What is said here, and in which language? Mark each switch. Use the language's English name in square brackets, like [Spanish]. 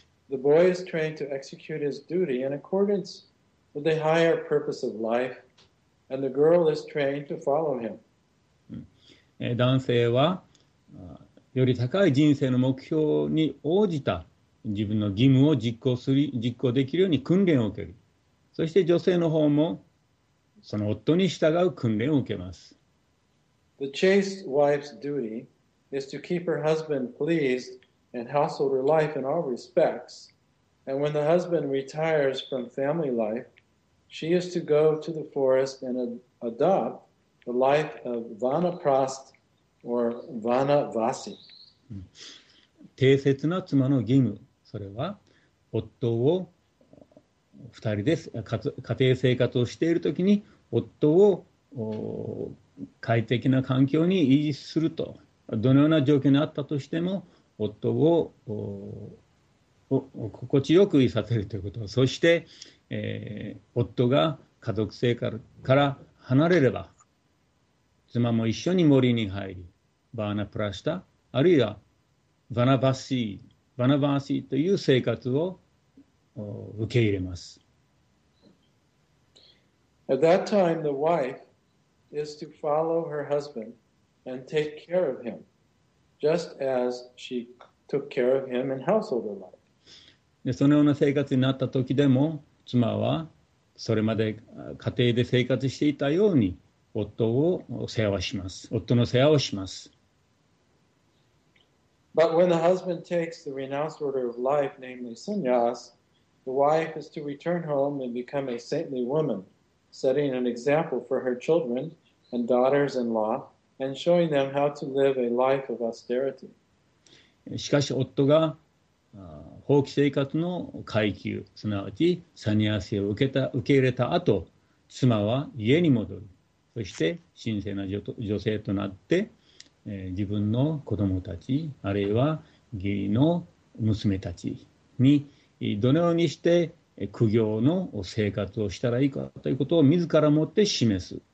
[English] The boy is trained to execute his duty in accordance for the higher purpose of life, and the girl is trained to follow him. [Japanese] 男性はより高い人生の目標に応じた自分の義務を実行できるように訓練を受ける。そして女性の方もその夫に従う訓練を受けます。 [English] The chaste wife's duty is to keep her husband pleased in household life in all respects. And when the husband retires from family life, she is to go to the forest and adopt the life of vanaprast or vanavasi. [Japanese] 貞節な妻の義務、それは夫を二人で家庭生活をしているときに夫を快適な環境に維持すると、どのような状況にあったとしても夫を心地よくいさせるということ、そして、夫が家族生活から離れれば妻も一緒に森に入り、バーナプラシタあるいはバナバーシーという生活を受け入れます。 [English] At that time, the wife is to follow her husband and take care of him, just as she took care of him in household life. [Japanese] で、そのような生活になった時でも、妻はそれまで家庭で生活していたように夫を世話します。夫の世話をします。 [English] But when the husband takes the renounced order of life, namely sannyas, the wife is to return home and become a saintly woman, setting an example for her children and daughters-in-law, and showing them how to live a life of austerity. [Japanese] しかし夫が放棄生活の階級、すなわちサニアスを受け入れた後、妻は家に戻る。そして神聖な 女性となって、自分の子供たち、あるいは義理の娘たちにどのようにして苦行の生活をしたらいいかということを自らもって示す。